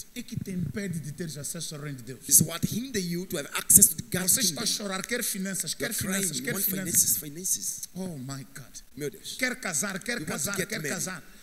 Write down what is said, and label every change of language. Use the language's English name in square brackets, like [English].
[Portuguese] E que te impede de ter acesso ao reino de Deus? [English] Is what hinder you to have access to the God [Portuguese] Você está a chorar, quer finanças, quer finanças, quer finanças. [English] Finances. Oh my God. [Portuguese] Meu Deus. Quer casar, quer casar, quer casar.